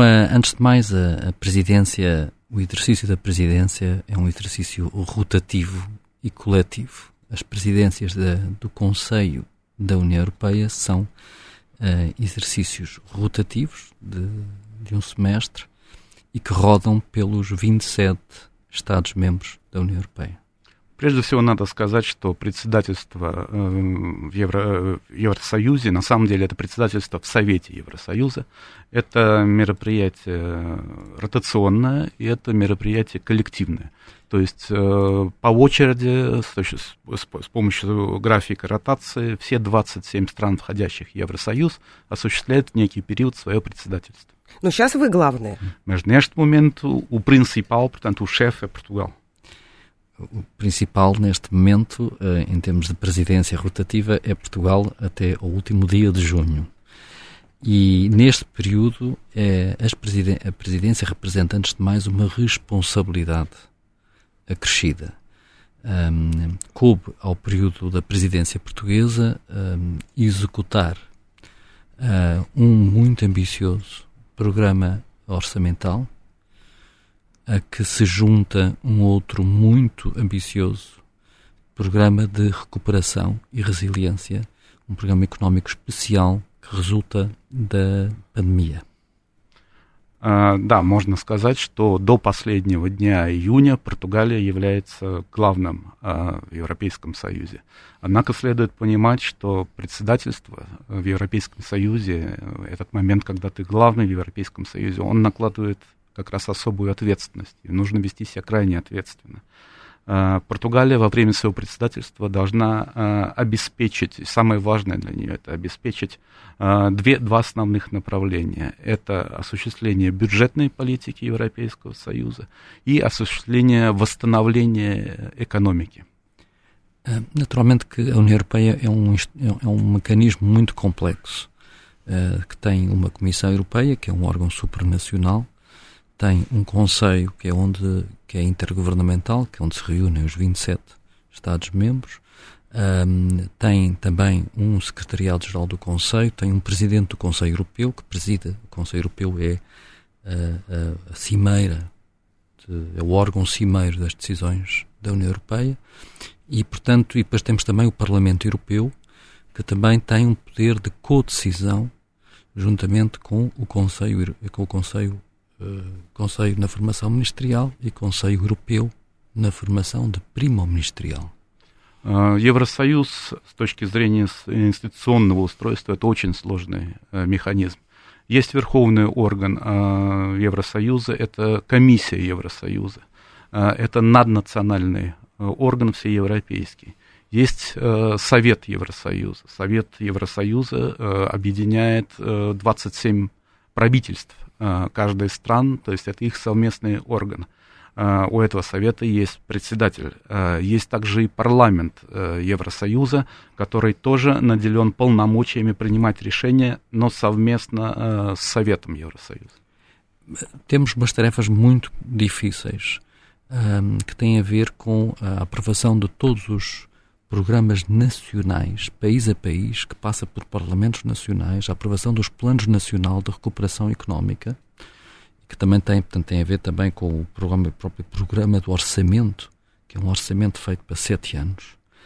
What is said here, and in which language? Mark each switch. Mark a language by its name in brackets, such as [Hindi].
[Portuguese] Antes de mais, a presidência... O exercício da presidência é um exercício rotativo e coletivo. As presidências do Conselho da União Europeia são exercícios rotativos de um semestre e que rodam pelos 27 Estados-membros da União Europeia. [Russian] Прежде всего, надо сказать, что председательство Евросоюзе, на самом деле это председательство в Совете Евросоюза, это мероприятие ротационное и это мероприятие коллективное. То есть по очереди, с помощью графика ротации, все 27 стран, входящих в Евросоюз, осуществляют в некий период свое председательство. Но сейчас вы главные. [Portuguese] Mas neste momento o principal, portanto o chefe é Portugal. O principal neste momento, em termos de presidência rotativa, é Portugal até o último dia de junho. E neste período, a presidência representa, antes de mais, uma responsabilidade acrescida. Coube ao período da presidência portuguesa executar um muito ambicioso programa orçamental, a que se junta um outro muito ambicioso programa de recuperação e resiliência, um programa económico especial que resulta da pandemia. [Russian] Да, можно сказать, что до последнего дня июня Португалия является главным в Европейском Союзе. Однако следует понимать, что председательство в Европейском Союзе, этот момент, когда ты главный в Европейском Союзе, он накладывает как раз особую ответственность, и нужно вести себя крайне ответственно. Португалия во время своего председательства должна обеспечить, и самое важное для нее это обеспечить два основных направления. Это осуществление бюджетной политики Европейского Союза и осуществление восстановления экономики. [Portuguese] Naturalmente que a União Europeia é um mecanismo muito complexo, que tem uma Comissão Europeia, que é um órgão supranacional. Tem um Conselho que é intergovernamental, que é onde se reúnem os 27 Estados-membros. Tem também um Secretariado-Geral do Conselho, tem um Presidente do Conselho Europeu, que preside o Conselho Europeu, é a cimeira, é o órgão cimeiro das decisões da União Europeia. E, portanto, e depois temos também o Parlamento Europeu, que também tem um poder de co-decisão, juntamente com o Conselho Europeu. Conselho na formação ministerial e Conselho Europeu na formação de primo-ministerial. [Russian] Евросоюз, с точки зрения институционного устройства, это очень сложный механизм. Есть верховный орган Евросоюза, это комиссия Евросоюза. Это наднациональный орган всеевропейский. Есть Совет Евросоюза. Совет Евросоюза объединяет 27 правительств каждой страны, то есть это их совместный орган. У этого совета есть председатель. Есть также и парламент Евросоюза, который тоже наделен полномочиями принимать решения, но совместно с Советом Евросоюза. [Portuguese] Temos umas tarefas muito difíceis, que têm a ver com a aprovação de todos os programas nacionais, país a país, que passa por parlamentos nacionais, a aprovação dos planos nacionais de recuperação económica, que também tem, portanto, tem a ver também com o programa, o próprio programa do orçamento, que é um orçamento feito para 7 anos.